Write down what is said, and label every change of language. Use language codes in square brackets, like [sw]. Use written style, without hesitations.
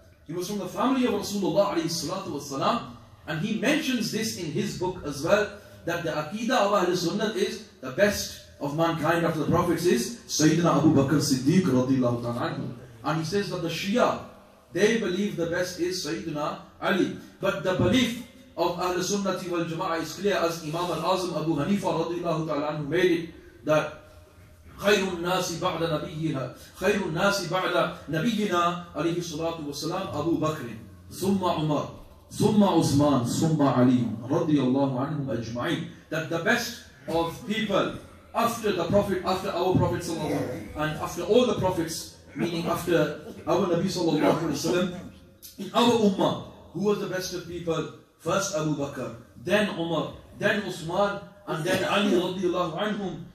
[en] He was from the family of Rasulullah alayhi salatu wasalam, and he mentions this in his book as well, that the Aqidah of Ahlul Sunnah is the best of mankind after the prophets is Sayyidina Abu Bakr Siddiq radiallahu ta'ala anhu. And he says that the Shia, they believe the best is Sayyidina Ali. But the belief of Ahlul Sunnah wal Jama'ah is clear, as Imam Al-Azim Abu Hanifa radiallahu ta'ala anhu made it, that [ar] خير الناس بعد نبيها خير الناس بعد نبينا عليه الصلاة والسلام أبو بكر ثم عمر ثم عثمان ثم علي رضي الله عنهم أجمعين. [en] That the best of people after the prophet, after our prophet صلى الله عليه وسلم, and after all the prophets, meaning after our Nabi صلى الله عليه وسلم, in our ummah, who was the best of people? First Abu Bakr, then Umar, then Uthman, and then Ali رضي الله عنهم.